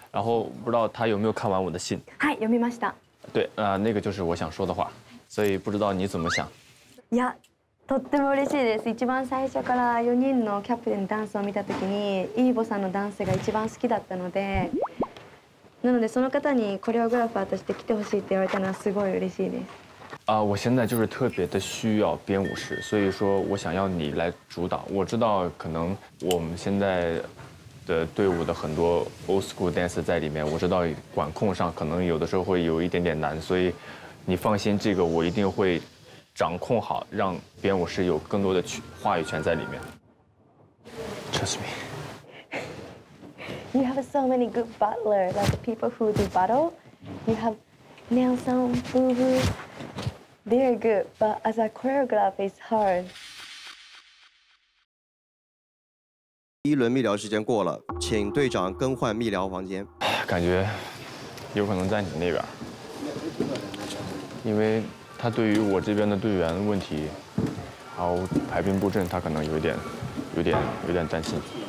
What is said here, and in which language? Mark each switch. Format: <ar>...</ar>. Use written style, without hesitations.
<zh>然后不知道他有没有看完我的信？</zh> <ja>はい、読みました。</ja> <zh>对，那个就是我想说的话，所以不知道你怎么想。</zh> <ja>いや、とっても嬉しいです。一番最初から4人のキャプテンのダンスを見たときに、イーボさんのダンスが一番好きだったので。なのでその方にコレオグラファーとして来てほしいって言われたのはすごい嬉しいです。</ja> <zh>啊，我现在就是特别的需要编舞师，所以说我想要你来主导。我知道可能我们现在的队伍的很多</zh> <en>old school dance</en> <zh>在里面，我知道管控上可能有的时候会有一点点难，所以你放心，这个我一定会掌控好，让编舞师有更多的话语权在里面。</zh> <en>Trust me. You have so many good butler, like the people who do battle. You have Nelson, Boo Boo. They're good, but as a choreographer, it's hard.</en> <zh>第一轮密聊时间过了，请队长更换密聊房间。感觉有可能在你那边，因为他对于我这边的队员问题，然后排兵布阵，他可能有点担心。</zh>